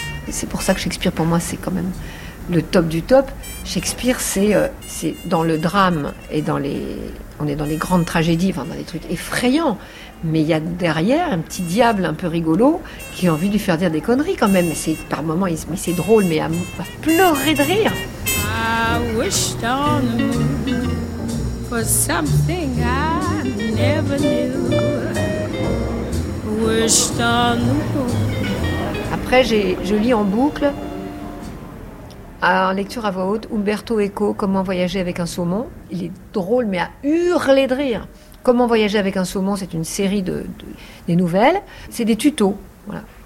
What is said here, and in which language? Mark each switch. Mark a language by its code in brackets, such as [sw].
[fr] C'est pour ça que Shakespeare, pour moi, c'est quand même le top du top. Shakespeare, c'est dans le drame et dans les... On est dans les grandes tragédies, enfin dans des trucs effrayants. Mais il y a derrière un petit diable un peu rigolo qui a envie de lui faire dire des conneries quand même. C'est, par moments, mais c'est drôle, mais à pleurer de rire. [en] I wished on the moon for something I never knew. Wished on the moon. [fr] Après, je lis en boucle, en lecture à voix haute, Umberto Eco, Comment voyager avec un saumon. Il est drôle, mais à hurler de rire. Comment voyager avec un saumon, c'est une série des nouvelles. C'est des tutos. Voilà.